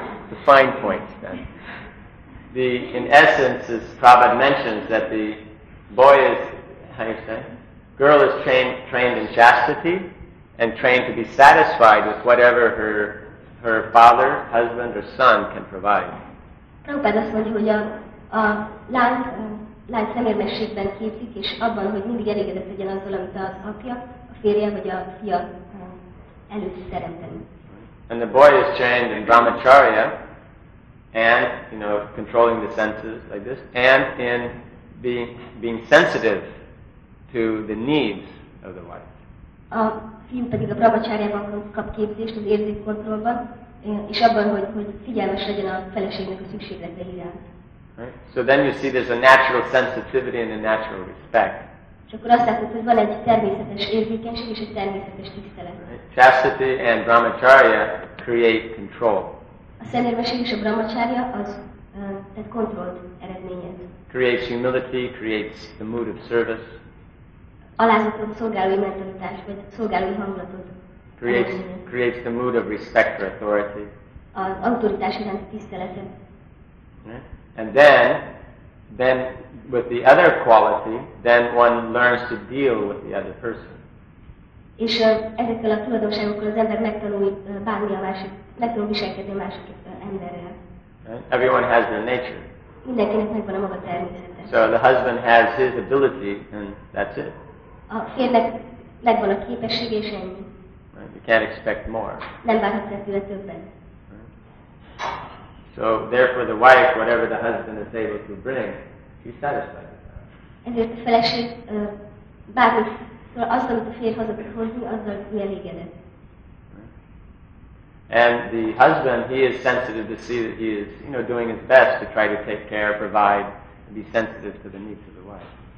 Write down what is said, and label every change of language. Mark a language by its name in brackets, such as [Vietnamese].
[English] The fine point, then. In essence, as Prabhupada mentions, that the boy is, how do you say? Girl is trained in chastity and trained to be satisfied with whatever her father, husband, or son can provide. [Hungarian] Prabhupada azt mondja, hogy a lány szemérmességben képzik, és abban, hogy mindig elégedett legyen azzal, amit az apja, a férje, vagy a fia [English] And the boy is trained in brahmacharya and, you know, controlling the senses like this, and in being sensitive to the needs of the wife. [Hungarian] A fiú pedig a brahmacharyában kap képzést az érzékkontrollban, és abban, hogy figyelmes legyen a feleségnek a szükségletre iránt. [English] So then you see there's a natural sensitivity and a natural respect. [Hungarian] És akkor azt látod, hogy van egy természetes érzékenység és egy természetes tisztelet. [English] Chastity and brahmacharya create control. [Hungarian] A szemérmesség és a brahmacharya az tehát kontrollt eredményez. [English] Creates humility, creates the mood of service. [Hungarian] Alázatot, szolgálói mentalitás, vagy szolgálói hangulatot. [English] Creates the mood of respect for authority. [Hungarian] Az autoritás iránti tiszteletet. [English] And then with the other quality, then one learns to deal with the other person. [Hungarian] És ezekkel a tulajdonságokkal az ember megtanul bánni a másik, megtanul viselkedni a másik emberrel. [English] Right? Everyone has their nature. [Hungarian] Mindenkinek megvan a maga természete. [English] So the husband has his ability and that's it. [Hungarian] A férjnek megvan a képessége és ennyi. [English] Right? You can't expect more. [Hungarian] Nem várhatsz tőle többet. [English] So therefore the wife, whatever the husband is able to bring, she's satisfied with that. [Hungarian] Ezért a feleség bármi, szóval azt, amit a férj haza tud hozni, azzal mi elégedett. [English] And the husband, he is sensitive to see that he is, you know, doing his best to try to take care, provide, and be sensitive to the needs of the wife.